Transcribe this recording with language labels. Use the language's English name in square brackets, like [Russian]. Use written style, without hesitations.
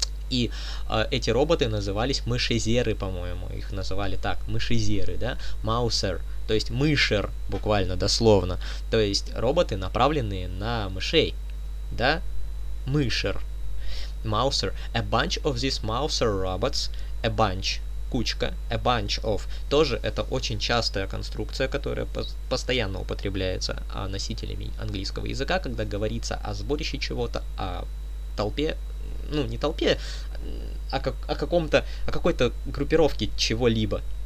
[Russian] И эти роботы назывались мышезеры, по-моему, их называли так, мышезеры, да, маусер, то есть мышер, буквально, дословно. То есть, роботы, направленные на мышей, да, мышер, маусер. [English] A bunch of these mouser robots, a bunch. [Russian] Кучка, [English] a bunch of, [Russian] тоже это очень частая конструкция, которая постоянно употребляется носителями английского языка, когда говорится о сборище чего-то, о толпе, ну не толпе, о какой-то группировке чего-либо.